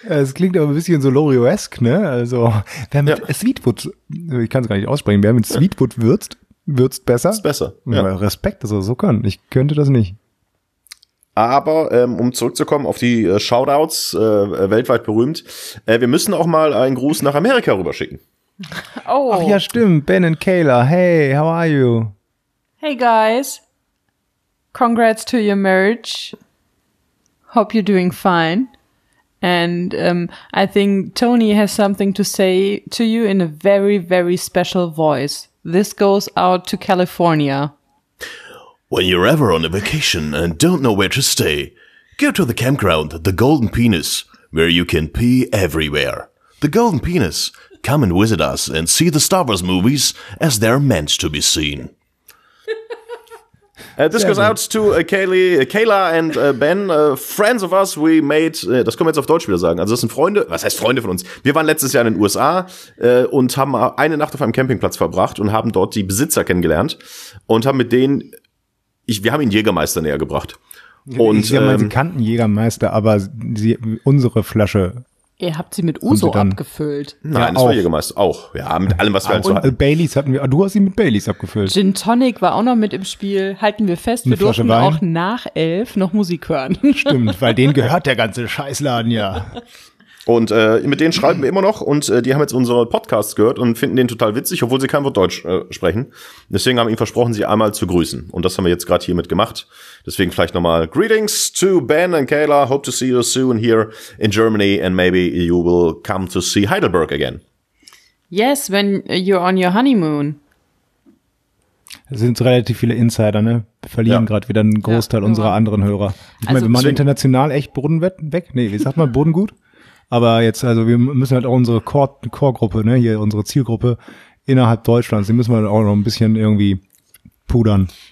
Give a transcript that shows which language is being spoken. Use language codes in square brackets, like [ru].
[de] Es klingt aber ein bisschen so Lorio-esque, ne? Also, wer mit Sweetwood, ich kann es gar nicht aussprechen, wer mit Sweetwood würzt, würzt besser. Ist besser, ja. Respekt, dass er so kann. Ich könnte das nicht. Aber um zurückzukommen auf die Shoutouts, weltweit berühmt, wir müssen auch mal einen Gruß nach Amerika rüberschicken. Oh. Ach ja, stimmt, Ben und Kayla, [en] hey, how are you? Hey guys, congrats to your marriage, hope you're doing fine. And I think Tony has something to say to you in a very, very special voice. This goes out to California. When you're ever on a vacation and don't know where to stay, go to the campground, the Golden Penis, where you can pee everywhere. The Golden Penis. Come and visit us and see the Star Wars movies as they're meant to be seen. This goes out to Kayla and Ben, friends of us, we made, [de] das können wir jetzt auf Deutsch wieder sagen, also das sind Freunde, was heißt Freunde von uns? Wir waren letztes Jahr in den USA und haben eine Nacht auf einem Campingplatz verbracht und haben dort die Besitzer kennengelernt und haben mit denen, wir haben ihnen Jägermeister näher gebracht. Und, ich meine, sie kannten Jägermeister, aber sie, unsere Flasche. Ihr habt sie mit Uso abgefüllt. Nein, ja, das war Jägermeister auch. Ja, mit allem, was wir halt so hatten. Baileys hatten wir. Du hast sie mit Baileys abgefüllt. Gin Tonic war auch noch mit im Spiel. Halten wir fest, eine wir Flasche durften Wein. Auch nach 11 noch Musik hören. Stimmt, weil denen gehört der ganze Scheißladen ja. Und mit denen schreiben wir immer noch. Und die haben jetzt unsere Podcasts gehört und finden den total witzig, obwohl sie kein Wort Deutsch sprechen. Deswegen haben wir ihnen versprochen, sie einmal zu grüßen. Und das haben wir jetzt gerade hiermit gemacht. Deswegen vielleicht nochmal [en] Greetings to Ben and Kayla. Hope to see you soon here in Germany. And maybe you will come to see Heidelberg again. Yes, when you're on your honeymoon. [de] Es sind relativ viele Insider, ne? Wir verlieren gerade wieder einen Großteil unserer anderen Hörer. Ich meine, wir machen international echt Boden weg. Nee, wie sagt man, Boden gut? Aber jetzt, also wir müssen halt auch unsere Core-Gruppe, ne, hier unsere Zielgruppe innerhalb Deutschlands, die müssen wir auch noch ein bisschen irgendwie pudern.